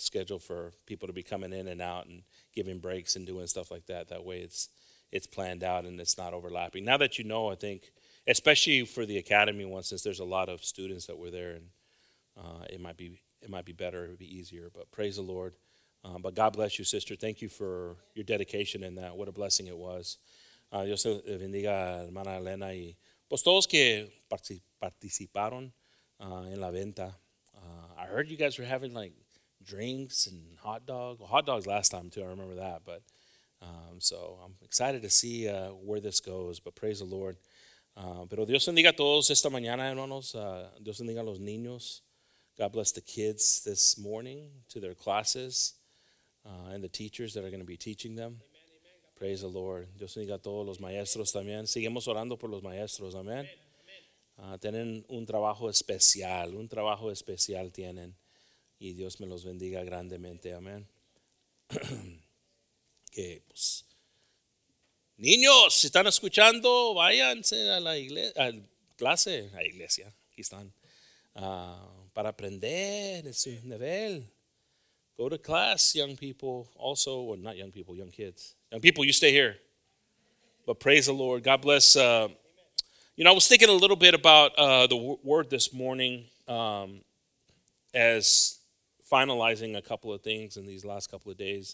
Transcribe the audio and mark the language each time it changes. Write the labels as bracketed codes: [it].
[en] Schedule for people to be coming in and out and giving breaks and doing stuff like that. That way it's planned out and it's not overlapping. Now that you know, I think, especially for the Academy one, since there's a lot of students that were there, and it might be better, it would be easier, but praise the Lord. But God bless you, sister. Thank you for your dedication in that. What a blessing it was. [es] Dios bendiga a hermana Elena y pues todos que participaron en la venta. [en] I heard you guys were having like drinks and hot dogs. Well, hot dogs last time too, I remember that. But so I'm excited to see where this goes. But praise the Lord. [es] Pero Dios bendiga a todos esta mañana, hermanos. Dios bendiga a los niños. [en] God bless the kids this morning to their classes. And the teachers that are going to be teaching them. Amen, amen. Praise the Lord. [es] Dios bendiga a todos los maestros también. Seguimos orando por los maestros. Amén. Tienen un trabajo especial. Un trabajo especial tienen. Y Dios me los bendiga grandemente. Amén. Que, pues, niños, si están escuchando, váyanse a la iglesia, a clase, a iglesia. Aquí están. Para aprender en su nivel. [en] Go to class, young people, also, or not young people, young kids. Young people, you stay here. But praise the Lord. God bless. You know, I was thinking a little bit about the word this morning as finalizing a couple of things in these last couple of days.